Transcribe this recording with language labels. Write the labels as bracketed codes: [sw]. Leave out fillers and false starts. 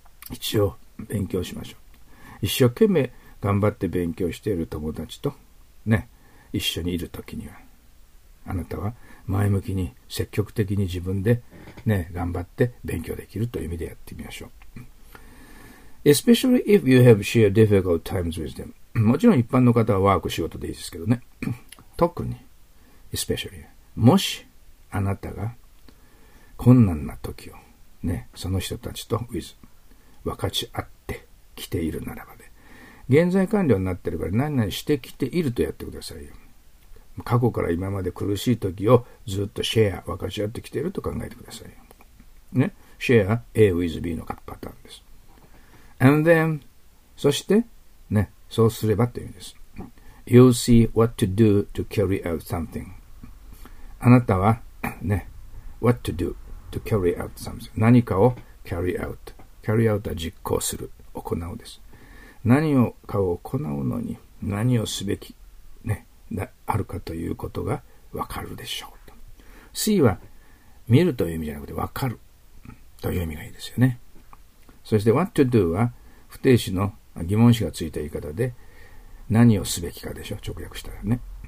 [ja] 一応、勉強しましょう。一生懸命頑張って勉強している友達と、ね、一緒にいるときには、あなたは前向きに、積極的に自分で、ね、頑張って勉強できるという意味でやってみましょう。 [en] Especially if you have shared difficult times with them. [ja] もちろん一般の方はワーク仕事でいいですけどね。特に、especially、もしあなたが困難な時をね、その人たちと with 分かち合ってきているならばで、ね、現在完了になってるから何々してきているとやってくださいよ。過去から今まで苦しい時をずっとシェア、分かち合ってきていると考えてくださいよ。ね、シェア A with B のパターンです。 [en] And then、 [ja] そしてね、そうすればという意味です。 [en] You'll see what to do to carry out something. [ja] あなたはね、 [en] what to do to carry out something. [ja] 何かを carry out。carry out は実行する、行うです。何をかを行うのに何をすべき、ね、あるかということがわかるでしょうと。 C は見るという意味じゃなくてわかるという意味がいいですよね。そして what to do は不定詞の疑問詞がついた言い方で何をすべきかでしょう、直訳したらね。